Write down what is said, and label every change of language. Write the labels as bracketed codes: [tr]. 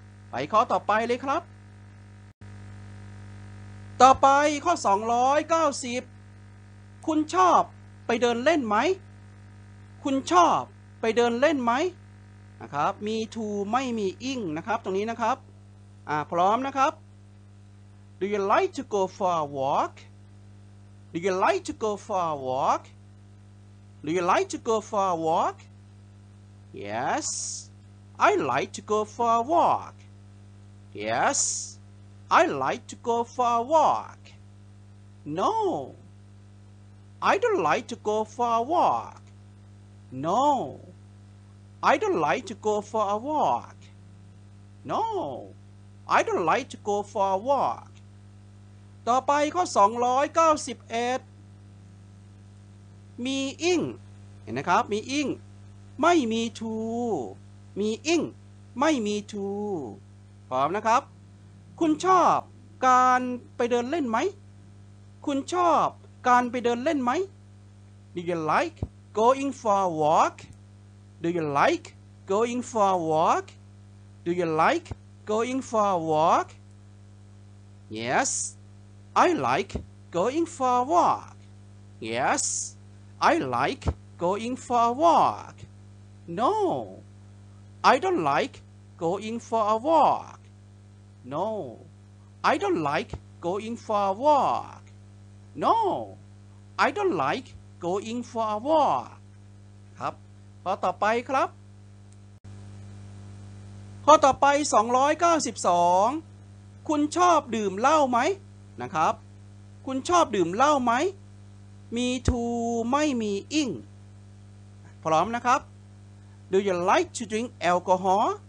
[th] ไปข้อต่อไปเลยครับต่อไปข้อ290คุณชอบไปเดินเล่นไหมคุณชอบไปเดินเล่นไหมนะครับมี to ไม่มี ing นะครับตรงนี้นะครับพร้อมนะครับ [en] Do you like to go for a walk? Do you like to go for a walk? Do you like to go for a walk? Yes, I like to go for a walk. Yes, I like to go for a walk. No, I don't like to go for a walk. No. I don't like to go for a walk. No, I don't like to go for a walk. [th] ต่อไปข้อ291มีอิงเห็นนะครับมีอิงไม่มี to มีอิงไม่มี to พร้อมนะครับคุณชอบการไปเดินเล่นไหมคุณชอบการไปเดินเล่นไหม [en] Do you like going for a walk? Do you like going for a walk? Do you like going for a walk? Yes, I like going for a walk. Yes, I like going for a walk. No, I don't like going for a walk. No, I don't like going for a walk. No, I don't like going for a walk. [th] ข้อต่อไปครับข้อต่อไป292คุณชอบดื่มเหล้าไหมนะครับคุณชอบดื่มเหล้าไหมมี to ไม่มี ing พร้อมนะครับ [en] Do you like to drink alcohol?